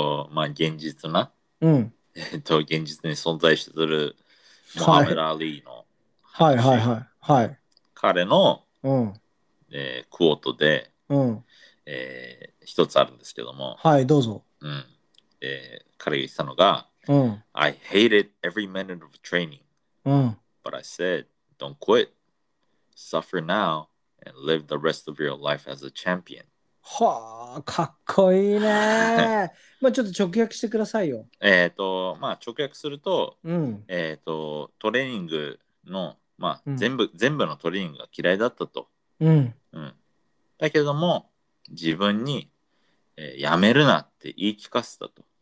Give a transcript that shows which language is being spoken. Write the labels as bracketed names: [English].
[Japanese] まあ現実な、うん、現実に存在するモハメド・アリーの、はい、はいはいはいはい、彼の、うん、クォートで、うん、一つあるんですけども、はいどうぞ、うん、彼が言ったのが、うん、 [English] I hated every minute of training、うん、 but I said don't quit suffer now and live the rest of your life as a champion. [Japanese] はあ、かっこいいね。まあちょっと直訳してくださいよ。まあ直訳すると、うん、トレーニングの、まあ全部、うん、全部のトレーニングが嫌いだったと。うん。うん、だけども、自分に、やめるなって言い聞かせたと。